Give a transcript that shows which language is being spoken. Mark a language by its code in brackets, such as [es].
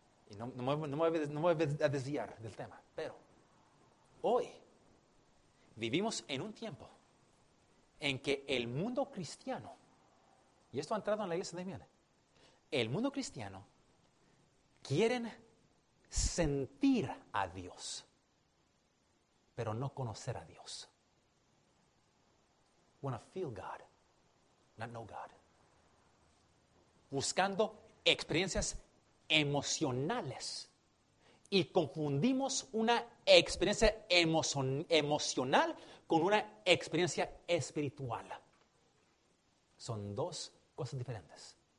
[es] Y no me voy a desviar del tema, pero hoy vivimos en un tiempo en que el mundo cristiano, y esto ha entrado en la iglesia de Miel, el mundo cristiano quieren sentir a Dios, pero no conocer a Dios. [en] Want to feel God, not know God. [es] Buscando experiencias emocionales. Y confundimos una experiencia emocional con una experiencia espiritual. Son dos cosas diferentes.